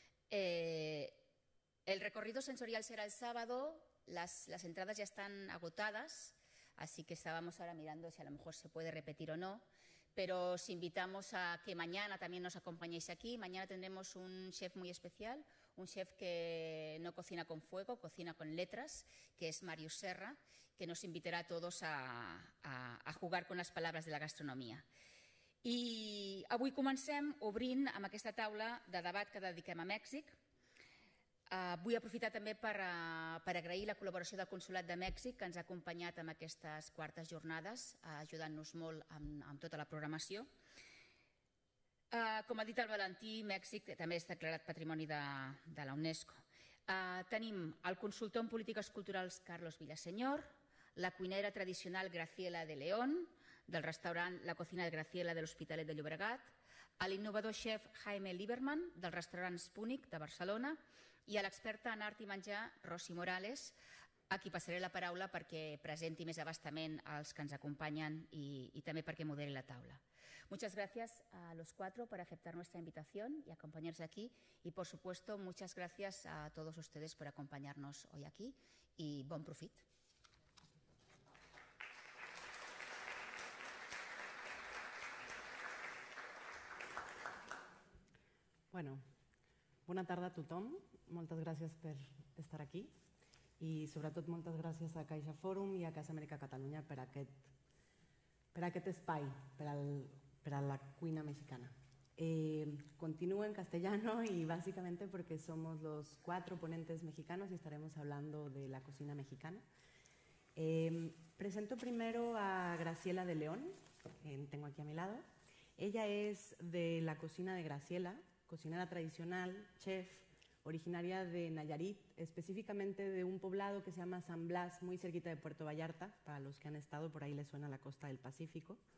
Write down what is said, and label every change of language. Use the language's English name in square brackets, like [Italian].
[Spanish] El recorrido sensorial será el sábado, las entradas ya están agotadas, así que estábamos ahora mirando si a lo mejor se puede repetir o no, pero os invitamos a que mañana también nos acompañéis aquí. Mañana tendremos un chef muy especial, un chef que no cocina con fuego, cocina con letras, que es Marius Serra, que nos invitará a todos a jugar con las palabras de la gastronomía. [Catalan] I avui comencem obrint amb aquesta taula de debat que dediquem a Mèxic. Vull aprofitar també per agrair la col·laboració del Consolat de Mèxic, que ens ha acompanyat en aquestes quartes jornades, ajudant-nos molt amb tota la programació. Com ha dit el Valentí, Mèxic també està declarat patrimoni de la UNESCO. Tenim el consultor en polítiques culturals Carlos Villaseñor, la cuinera tradicional Graciela de León, del restaurante La Cocina de Graciela de l'Hospitalet de Llobregat, a l'innovador chef Jaime Lieberman, del restaurant Spunic de Barcelona, y a l'experta en art i menjar Rosy Morales, a qui passaré la paraula perquè presenti més abastament als que ens acompanyen i també perquè moderi la taula. [Spanish] Muchas gracias a los cuatro por aceptar nuestra invitación y acompañarse aquí. Y, por supuesto, muchas gracias a todos ustedes por acompañarnos hoy aquí. [Catalan] Y bon profit. [Spanish] Bueno, buena tarde [Catalan] a tothom. [Spanish] Muchas gracias por estar aquí. Y, sobre todo, muchas gracias a Caixa Forum y a Casa Amèrica Catalunya [Catalan] per aquest espai, per a la cuina mexicana. [Spanish] Continúo en castellano y básicamente porque somos los cuatro ponentes mexicanos y estaremos hablando de la cocina mexicana. Presento primero a Graciela de León, que tengo aquí a mi lado. Ella es de la cocina de Graciela, cocinera tradicional, chef, originaria de Nayarit, específicamente de un poblado que se llama San Blas, muy cerquita de Puerto Vallarta, para los que han estado por ahí les suena la costa del Pacífico.